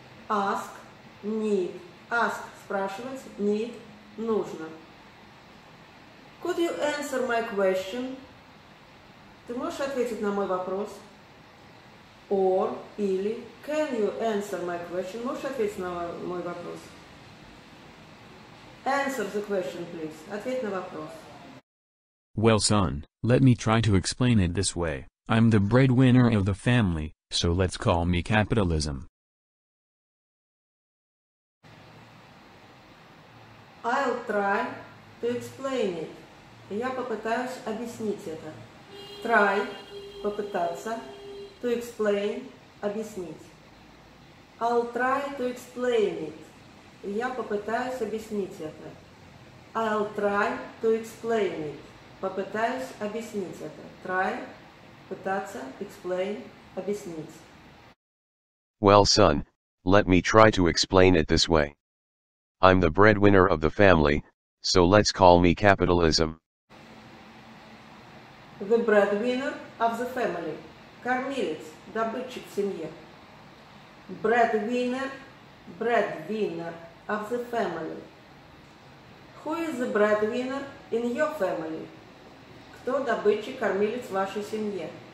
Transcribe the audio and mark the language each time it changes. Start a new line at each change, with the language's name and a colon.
English: Ask, need. Ask,
Russian: спрашивать,
English: need,
Russian: нужно.
English: Could you answer my question?
Russian: Ты можешь ответить на мой вопрос?
English: Or,
Russian: или,
English: can you answer my question?
Russian: Можешь ответить на мой вопрос?
English: Answer the question, please.
Russian: Ответь на вопрос.
English: Well, son, let me try to explain it this way. I'm the breadwinner of the family, so let's call me capitalism. I'll try to explain it.
Russian: Я попытаюсь объяснить это.
English: Try –
Russian: попытаться.
English: To explain –
Russian: объяснить.
English: I'll try to explain it.
Russian: Я попытаюсь объяснить это.
English: I'll try to explain it.
Russian: Попытаюсь объяснить это.
English: Try –
Russian: пытаться,
English: explain –
Russian: объяснить.
English: Well, son, let me try to explain it this way. I'm the breadwinner of the family, so let's call me capitalism. The breadwinner of the family.
Russian: Кормилец, добытчик в семье.
English: Breadwinner, breadwinner of the family. Who is the breadwinner in your family?
Russian: Кто добытчик, кормилец в вашей семье?